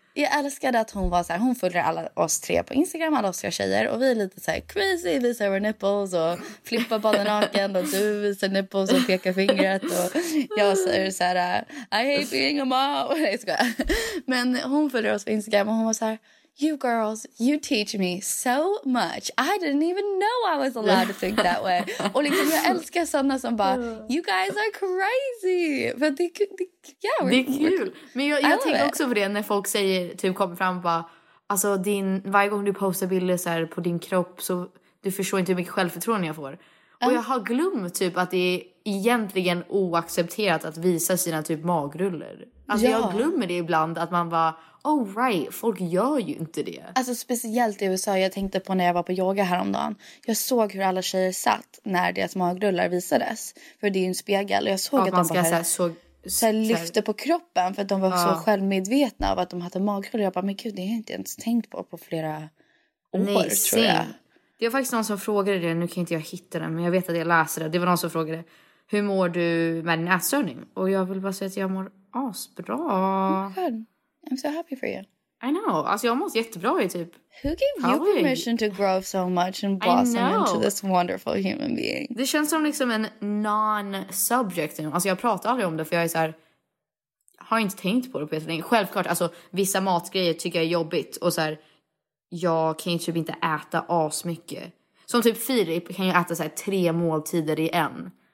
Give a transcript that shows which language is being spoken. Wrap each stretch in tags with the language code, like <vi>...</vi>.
<sv>jag älskade att hon var så här, hon följer alla oss tre på Instagram, alla oss tre tjejer, och vi är lite så här crazy, visar våra nipples och flippar bara naken, och du visar nipples och pekar fingret, och jag säger så här,</sv> <en>I hate being a mom.</en> <sv>Nej, ska jag. Men hon följer oss på Instagram och hon var så här,</sv> <en>you girls, you teach me so much. I didn't even know I was allowed to think that way.</en> <sv>Och liksom, jag älskar sådana som bara,</sv> <en>you guys are crazy.</en> <sv>För det, yeah, det är kul. Men jag tänker också på det när folk säger, typ kommer fram och bara, alltså din, varje gång du postar bilder så här på din kropp, så du förstår inte hur mycket självförtroende jag får. Och jag har glömt typ att det är egentligen oaccepterat att visa sina typ magrullor. Alltså ja. Jag glömmer det ibland att man bara,</sv> <en>oh right,</en> <sv>folk gör ju inte det. Alltså speciellt i USA, jag tänkte på när jag var på yoga häromdagen. Jag såg hur alla tjejer satt när deras magrullar visades. För det är ju en spegel. Och jag såg att de bara så här lyfte på kroppen. För att de var så självmedvetna av att de hade magrullar. Jag bara, men gud, det har jag inte ens tänkt på flera år, nej, tror jag. Det var faktiskt någon som frågade det. Nu kan inte jag hitta den, men jag vet att jag läser det. Det var någon som frågade, hur mår du med din ätstörning? Och jag vill bara säga att jag mår asbra.</sv> <en>Skönt. I'm so happy for you. I know.</en> <sv>Alltså jag mår jättebra i typ...</sv> <en>Who gave you permission to grow so much and blossom into this wonderful human being?</en> <sv>Det känns som liksom en non-subject. Alltså jag pratar aldrig om det, för jag är så här... Har inte tänkt på det på ett länge. Självklart, alltså vissa matgrejer tycker jag är jobbigt. Och så här... Jag kan ju typ inte äta as mycket. Som typ Filip kan ju äta så här 3 måltider i en.</sv>